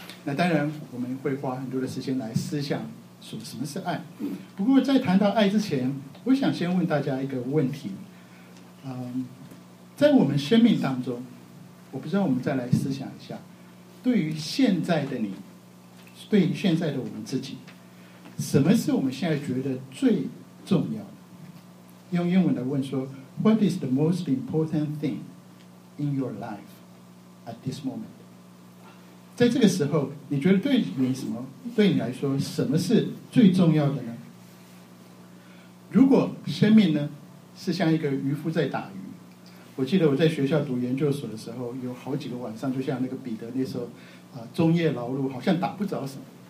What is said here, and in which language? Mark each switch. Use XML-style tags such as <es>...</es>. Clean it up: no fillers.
<zh>那当然我们会花很多的时间来思想说什么是爱，不过在谈到爱之前，我想先问大家一个问题。在我们生命当中，我不知道我们再来思想一下，对于现在的你，对于现在的我们自己，什么是我们现在觉得最重要的？用英文来问说</zh> <en>What is the most important thing in your life at this moment?</en> <zh>在这个时候你觉得对你什么，对你来说什么是最重要的呢？如果生命呢是像一个渔夫在打鱼，我记得我在学校读研究所的时候，有好几个晚上就像那个彼得那时候终夜劳碌，好像打不着什么。</zh>